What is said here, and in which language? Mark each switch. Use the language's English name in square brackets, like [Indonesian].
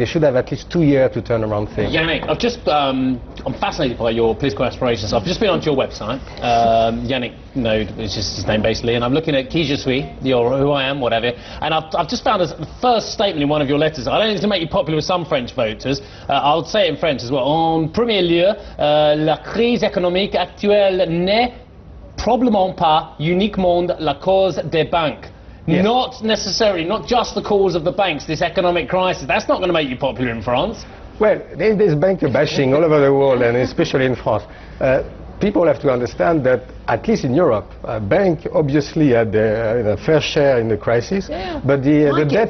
[English] They should have at least 2 years to turn around things. Yannick, I've just, I'm fascinated by your political aspirations. I've just been onto your website, Yannick Naud, which is his name basically, and I'm looking at Qui Je Suis, your who I am, whatever, and I've just found the first statement in one of your letters. I don't think it's going to make you popular with some French voters. I'll say it in French as well. [French] En premier lieu, la crise économique actuelle n'est probablement pas uniquement la cause des banques. [English] Yes. Not necessarily, not just the cause of the banks, this economic crisis. That's not going to make you popular in France. Well, there's banker bashing all over the world, and especially in France. People have to understand that, at least in Europe, bank obviously had a fair share in the crisis. Yeah. But the debt